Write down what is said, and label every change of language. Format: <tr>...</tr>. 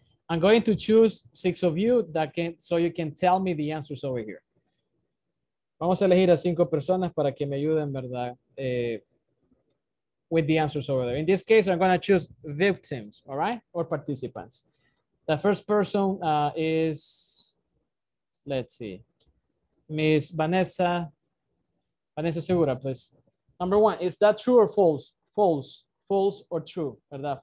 <en>I'm going to choose six of you that can, so you can tell me the answers over here.</en> <es>Vamos a elegir a cinco personas para que me ayuden, ¿verdad?</es> <en>With the answers over there. In this case, I'm going to choose victims, all right? Or participants. The first person is, let's see. Miss Vanessa, Vanessa Segura, please. Number one, is that true or false? False, false or true,</en> <es>¿verdad?</es>